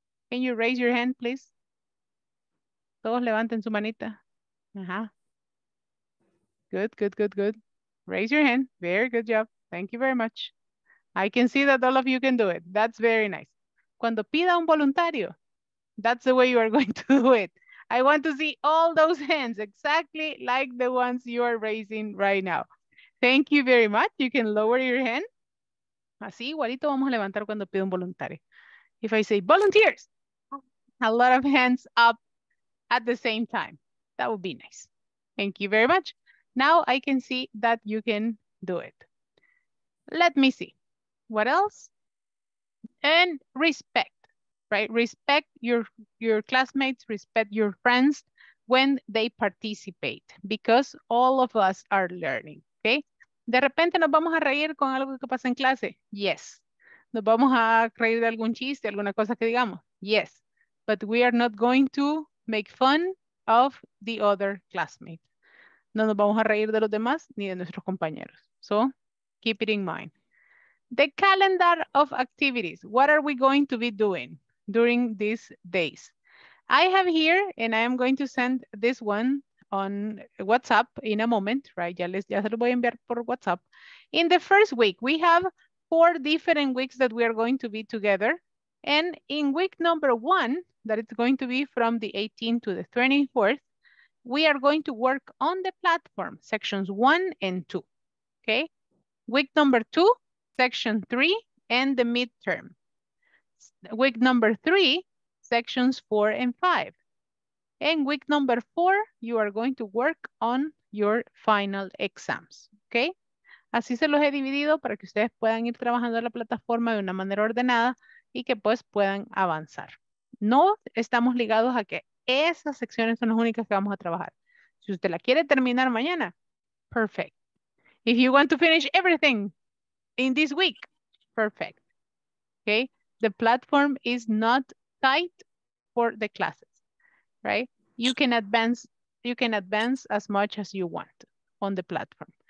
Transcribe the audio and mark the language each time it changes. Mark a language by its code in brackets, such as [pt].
[en] Can you raise your hand, please? [es] Todos levanten su manita. [en] Uh-huh. Good, good, good, good. Raise your hand. Very good job. Thank you very much. I can see that all of you can do it. That's very nice. [es] Cuando pida un voluntario, [en] that's the way you are going to do it. I want to see all those hands exactly like the ones you are raising right now. Thank you very much. You can lower your hand. [es] Así igualito vamos a levantar cuando pida un voluntario. [en] If I say volunteers, a lot of hands up at the same time. That would be nice. Thank you very much. Now I can see that you can do it. Let me see. What else? And respect, right? Respect your classmates, respect your friends when they participate, because all of us are learning, okay? [es] De repente nos vamos a reír con algo que pasa en clase. Yes. Nos vamos a reír de algún chiste, alguna cosa que digamos. [en] Yes. But we are not going to make fun of the other classmates. [es] No nos vamos a reír de los demás ni de nuestros compañeros. [en] So keep it in mind. The calendar of activities. What are we going to be doing during these days? I have here, and I am going to send this one on WhatsApp in a moment, right? [es] Ya se lo voy a enviar por WhatsApp. [en] In the first week, we have 4 different weeks that we are going to be together. And in week number 1, that it's going to be from the 18th to the 24th, we are going to work on the platform, sections 1 and 2, okay? Week number 2, section 3, and the midterm. Week number 3, sections 4 and 5. And week number 4, you are going to work on your final exams, okay? [es] Así se los he dividido para que ustedes puedan ir trabajando en la plataforma de una manera ordenada y que pues puedan avanzar. No estamos ligados a que esas secciones son las únicas que vamos a trabajar. Si usted la quiere terminar mañana, perfect. [en] If you want to finish everything in this week, perfect. Okay, the platform is not tight for the classes, right? You can advance as much as you want on the platform.